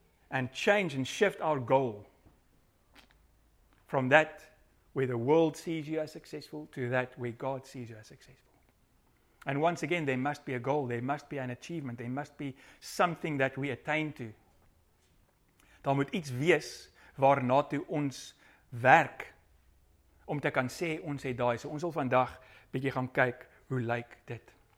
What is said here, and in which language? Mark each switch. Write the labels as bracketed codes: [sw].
[en] And change and shift our goal from that where the world sees you as successful to that where God sees you as successful. And once again, there must be a goal, there must be an achievement, there must be something that we attain to. [af] Daar moet iets wees waarna toe ons werk om te kan sê ons het daai. So ons sal vandag bietjie gaan kyk hoe lyk dit?